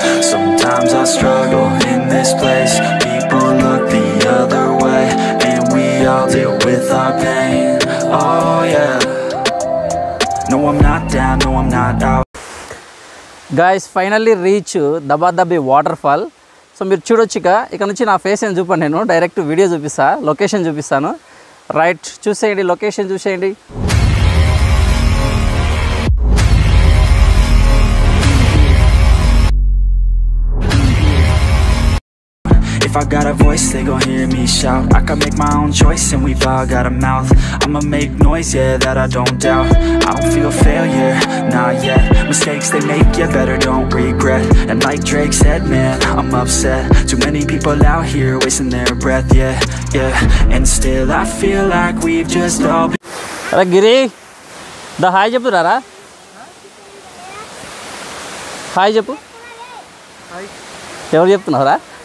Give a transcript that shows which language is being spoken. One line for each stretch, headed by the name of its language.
English: Sometimes I struggle in this place, people look the other way, and we all deal with our pain, oh yeah. No, I'm not down, no, I'm not out. Guys, finally reach Dhabadhabi waterfall.
Telugu: So, మీరు చూడొచ్చు ఇక్కడ నుంచి నా face నేను చూపాను, నేను direct video చూపిస్తా, location చూపిస్తాను. Right, చూసేయండి లొకేషన్ చూసేయండి.
English: If I got a voice, they gon' hear me shout. I can make my own choice and we've all got a mouth. I'ma make noise, yeah, that I don't doubt. I don't feel failure, not yet. Mistakes they make, you better don't regret. And like Drake said, man, I'm upset. Too many people out here wasting their breath, yeah, yeah. And still I feel like we've just all been.
Hindi: अरे गिरी, the high jump रहा रहा, high jump, क्या और jump ना रहा?